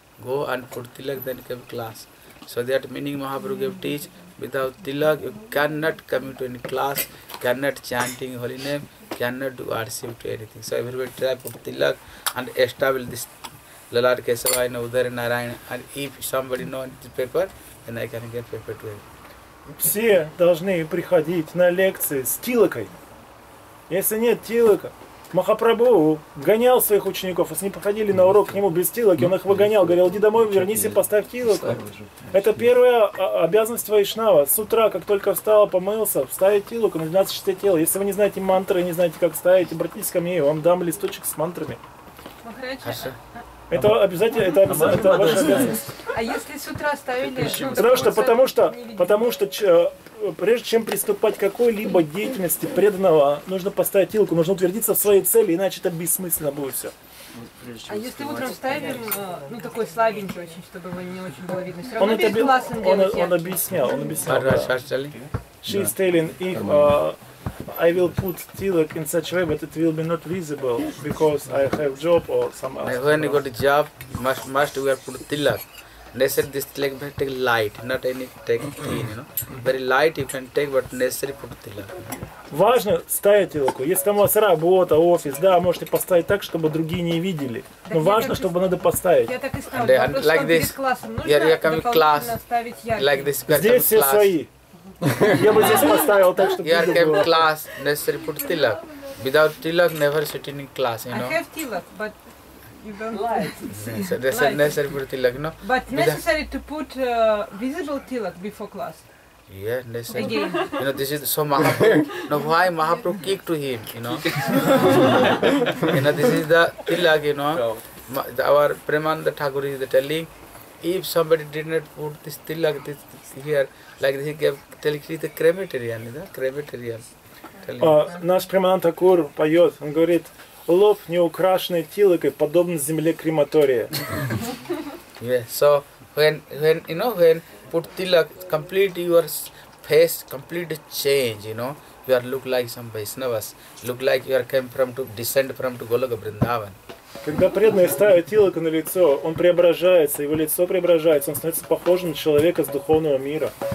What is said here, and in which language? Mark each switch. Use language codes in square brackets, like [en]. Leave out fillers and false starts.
[en] Go and put tilak, then came class. So that meaning Mahaprabhu gave teach, without tilak you cannot come to any class, cannot chanting holy name, cannot do RCM to anything. So everybody try to put tilak and establish this Lalar Kesava and Udara Narayana. And if somebody knows the paper, then I can get paper to him. [ru] Все должны приходить на лекции с тилакой. Если нет тилака, Махапрабху гонял своих учеников. Если они походили на урок к нему без тилаки, он их выгонял, говорил, иди домой, вернись и поставь тилаку. Это первая обязанность вайшнава. С утра, как только встал, помылся, вставить тилаку на 12 частей тела. Если вы не знаете мантры, не знаете, как ставить, обратитесь ко мне, я вам дам листочек с мантрами. Хорошо. Это обязательно, это ваша обязанность. А если с утра ставили... Потому что прежде чем приступать к какой-либо деятельности преданного, нужно поставить тилку, нужно утвердиться в своей цели, иначе это бессмысленно будет все. А если утром ставим, ну такой слабенький очень, чтобы его не очень было видно, все равно он без глаз он делает ярче. Он объяснял. Хорошо, [en] she is telling if I will put tilak in such a way, but it will be not visible because I have job or some else. When you got a job, must wear put tilak. necessary this like we take light, not any take clean, you know. Very light you can take, but necessary put tilak. [ru] Важно ставить тилаку. Если там у вас работа, офис, да, можете поставить так, чтобы другие не видели. Но важно, чтобы надо поставить. Я так и ставлю. Просто перед классом нужно дополнительно ставить ярки. Здесь все свои. Я бы здесь поставил так, чтобы видно было. Ярки в класс, necessary put тилак. [en] Without tilak, never sit in class, you know. I have tilak, but... You don't like. That's necessary for tilak, no? But necessary to put visible tilak before class. Yeah, necessary. Again. You know, this is so Mahaprabhu. Now, why Mahaprabhu kicked to him, you know? You know, this is the tilak, you know? Our Premananda Thakur is telling, if somebody did not put this tilak this, here, like he gave, telling it is the crematorium, you know? Crematorium. [ru] Наш Премананда Такур поет, он говорит, лоб не украшенный тилакой подобен земле крематория. [en] Yeah, so when you know when put tilak, complete your face, complete change, you know, you are look like some Vaishnavas, look like you are came from to descend from to Goloka Vrindavan. [ru] Когда преданный ставит тилаку на лицо, он преображается, его лицо преображается, он становится похожим на человека с духовного мира.